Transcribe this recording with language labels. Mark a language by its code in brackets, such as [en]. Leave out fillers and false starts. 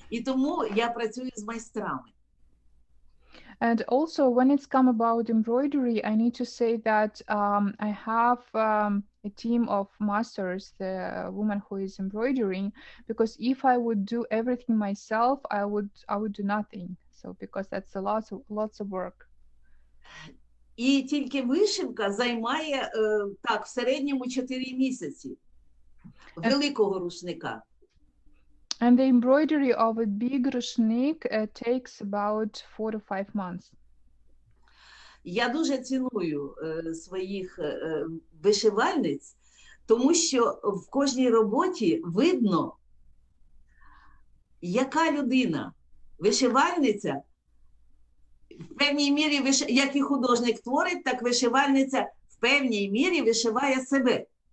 [uk] І тому я працюю з майстрами. [en] And also when it's come about embroidery, I need to say that I have a team of masters, the woman who is embroidering, because if I would do everything myself, I would do nothing. So because that's lots of work. [uk] І тільки вишивка займає так, в середньому 4 місяці великого рушника. [en] And the embroidery of a big рушник takes about 4 to 5 months. [uk] Я дуже ціную своїх вишивальниць, тому що в кожній роботі видно, яка людина вишивальниця, в певній мірі, як і художник творить, так вишивальниця в певній мірі вишиває себе.